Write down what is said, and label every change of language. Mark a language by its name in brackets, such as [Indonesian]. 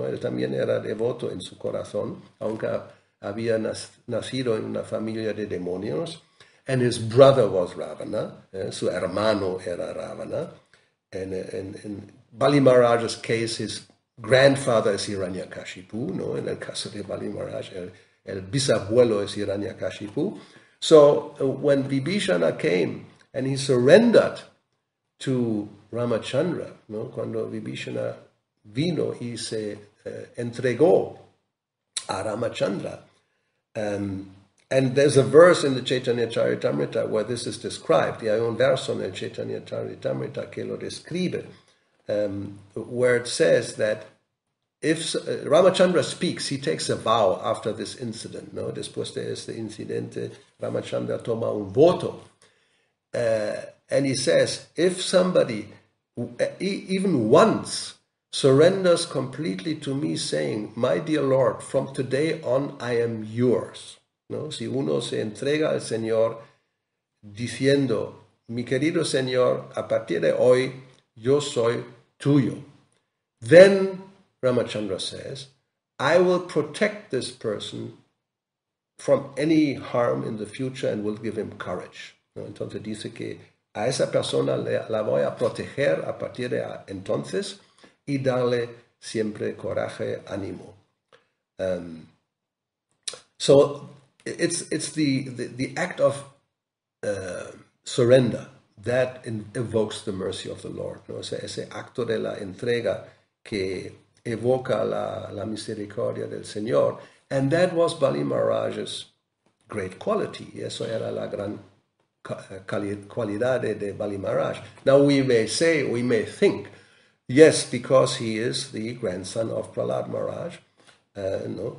[Spanish] Él también era devoto en su corazón, aunque había nacido en una familia de demonios. [English] And his brother was Ravana, [Spanish] su hermano era Ravana. [English] And in Bali Maharaj's case, his grandfather is Hiranyakashipu, ¿no? [Spanish] En el caso de Bali Maharaj, el bisabuelo es Hiranyakashipu. [English] So when Vibhishana came and he surrendered to Ramachandra, ¿no? [Spanish] Cuando Vibhishana vino y se entregó a Ramachandra. [English] And there's a verse in the Chaitanya Charitamrita where this is described. [Spanish] Y hay un verso en el Chaitanya Charitamrita [English] que lo describe, where it says that if Ramachandra speaks, he takes a vow after this incident, ¿no? [Spanish] Después de este incidente, Ramachandra toma un voto. [English] And he says, if somebody, even once, surrenders completely to me, saying, my dear Lord, from today on, I am yours. ¿No? [Spanish] Si uno se entrega al Señor diciendo, mi querido Señor, a partir de hoy, yo soy tuyo. [English] Then, Ramachandra says, I will protect this person from any harm in the future and will give him courage. ¿No? [Spanish] Entonces dice que a esa persona la voy a proteger a partir de entonces y darle siempre coraje, ánimo. [English] So it's the act of surrender that evokes the mercy of the Lord, [Spanish] ¿no? O sea, ese acto de la entrega que evoca la misericordia del Señor. [English] And that was Bali Maharaj's great quality. [Spanish] Y eso era la gran cualidad de Bali Maharaj. [English] Now we may say, we may think, yes, because he is the grandson of Prahlad Maharaj, ¿no?